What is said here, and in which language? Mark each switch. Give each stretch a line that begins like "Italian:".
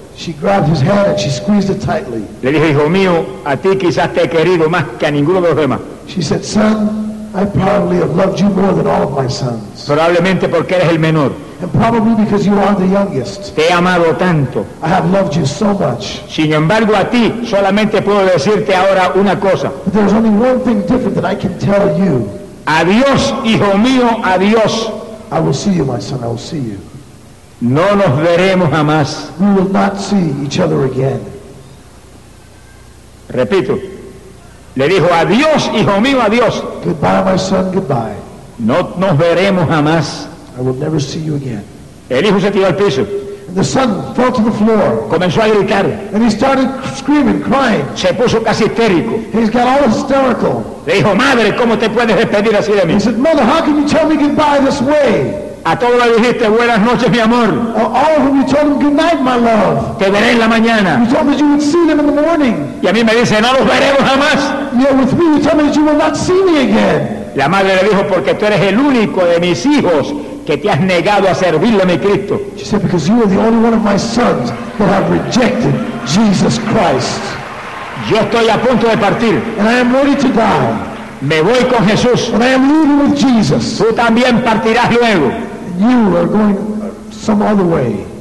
English: She grabbed his hand and she squeezed it tightly.
Spanish: Le dijo, hijo mío, a ti quizás te he querido más que a ninguno de los demás.
English: She said, son, I probably have loved you more than all of my sons.
Spanish: Probablemente porque eres el menor.
English: And probably because you are the youngest.
Spanish: Te he amado tanto.
English: I have loved you so much.
Spanish: Sin embargo, a ti solamente puedo decirte ahora una cosa.
English: But there's only one thing different that I can tell you.
Spanish: Adiós, hijo mío, adiós.
English: I will see you, my son, I will see you.
Spanish: No nos veremos jamás.
English: We will not see each other again.
Spanish: Repito. Le dijo, adiós, hijo mío, adiós.
English: Goodbye, my son, goodbye.
Spanish: No nos veremos jamás.
English: I will never see you again.
Spanish: El hijo se tiró al piso.
English: And the son fell to the floor.
Spanish: Comenzó a gritar.
English: And he started screaming, crying.
Spanish: Se puso casi histérico.
English: He's got all hysterical.
Spanish: Le dijo, madre, ¿cómo te puedes despedir así de mí?
English: He said, mother, how can you tell me goodbye this way?
Spanish: A todos le dijiste, buenas noches, mi amor.
English: All of them, you told them, good night, my love.
Spanish: Te veré en la mañana.
English: You told them you would see them in the morning.
Spanish: Y a mí me dice, no los veremos jamás.
English: Yeah, with me, you told me that you will not see me again.
Spanish: La madre le dijo, porque tú eres el único de mis hijos que te has negado a servirle a mi Cristo.
English: She said, because you are the only one of my sons that have rejected Jesus Christ.
Spanish: Yo estoy a punto de partir.
English: And I am ready to die.
Spanish: Me voy con Jesús.
English: And I am leaving with Jesus.
Spanish: Tú también partirás luego.
English: You are going some other way.